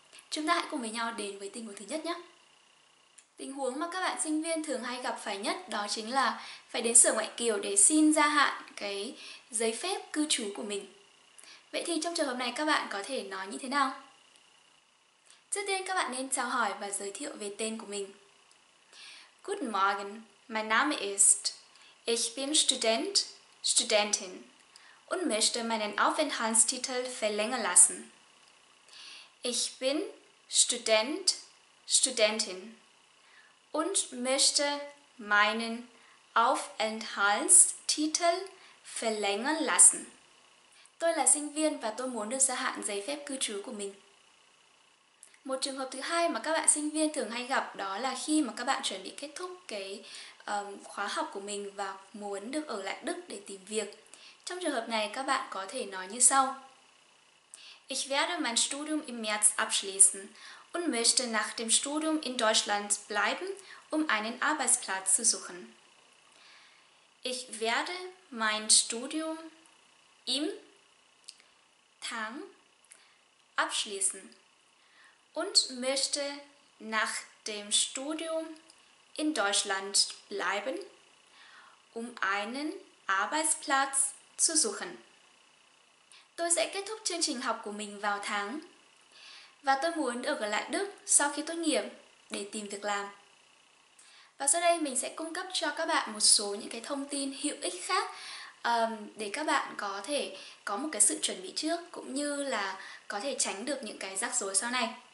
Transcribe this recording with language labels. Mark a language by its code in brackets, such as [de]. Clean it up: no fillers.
[vi] Chúng ta hãy cùng với nhau đến với tình huống thứ nhất nhé. Tình huống mà các bạn sinh viên thường hay gặp phải nhất đó chính là phải đến sở ngoại kiều để xin gia hạn cái giấy phép cư trú của mình. Vậy thì trong trường hợp này các bạn có thể nói như thế nào? Trước tiên các bạn nên chào hỏi và giới thiệu về tên của mình. [de] Guten Morgen, mein Name ist. Ich bin Student, Studentin und möchte meinen Aufenthaltstitel verlängern lassen. Ich bin Student, Studentin. Und möchte meinen Aufenthaltstitel verlängern lassen. [vi] Tôi là sinh viên và tôi muốn được gia hạn giấy phép cư trú của mình. Một trường hợp thứ hai mà các bạn sinh viên thường hay gặp đó là khi mà các bạn chuẩn bị kết thúc cái khóa học của mình và muốn được ở lại Đức để tìm việc. Trong trường hợp này các bạn có thể nói như sau. [de] Ich werde mein Studium im März abschließen. Und möchte nach dem Studium in Deutschland bleiben, um einen Arbeitsplatz zu suchen. Ich werde mein Studium im Tang abschließen und möchte nach dem Studium in Deutschland bleiben, um einen Arbeitsplatz zu suchen. [vi] Tôi sẽ kết thúc chương trình học của mình vào tháng. Và tôi muốn ở lại Đức sau khi tốt nghiệp để tìm việc làm. Và sau đây mình sẽ cung cấp cho các bạn một số những cái thông tin hữu ích khác để các bạn có thể có một cái sự chuẩn bị trước cũng như là có thể tránh được những cái rắc rối sau này.